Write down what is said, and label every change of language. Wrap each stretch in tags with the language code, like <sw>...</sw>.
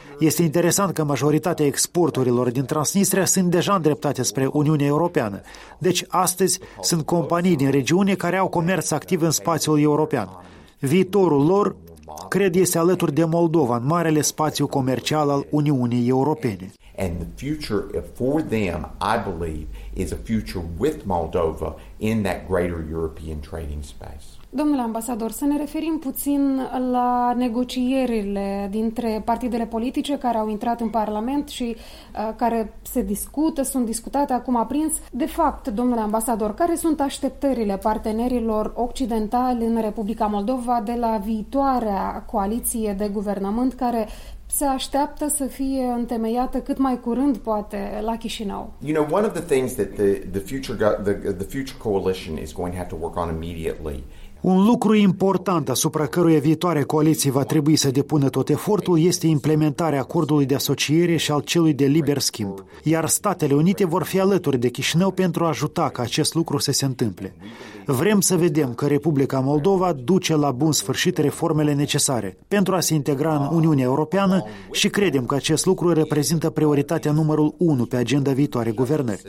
<ro>Este interesant că majoritatea exporturilor din Transnistria sunt deja îndreptate spre Uniunea Europeană. Deci, astăzi, sunt companii din regiune care au comerț activ în spațiul european. Viitorul lor, cred, este alături de Moldova, în marele spațiu comercial al Uniunii Europene.</ro> <en>And the future for them, I believe, is a future with Moldova in that greater European trading space.</en> <ro>Domnule ambasador, să ne referim puțin la negocierile dintre partidele politice care au intrat în Parlament și care se discută, sunt discutate acum aprins. De fapt, domnule ambasador, care sunt așteptările partenerilor occidentali în Republica Moldova de la viitoarea coaliție de guvernământ care se așteaptă să fie întemeiată cât mai curând poate la Chișinău?</ro> <en>You know, one of the things that the future coalition is going to have to work on immediately.</en> <ro>Un lucru important asupra căruia viitoare coaliție va trebui să depună tot efortul este implementarea acordului de asociere și al celui de liber schimb. Iar Statele Unite vor fi alături de Chișinău pentru a ajuta ca acest lucru să se întâmple. Vrem să vedem că Republica Moldova duce la bun sfârșit reformele necesare pentru a se integra în Uniunea Europeană și credem că acest lucru reprezintă prioritatea numărul 1 pe agenda viitoare guvernări.</ro>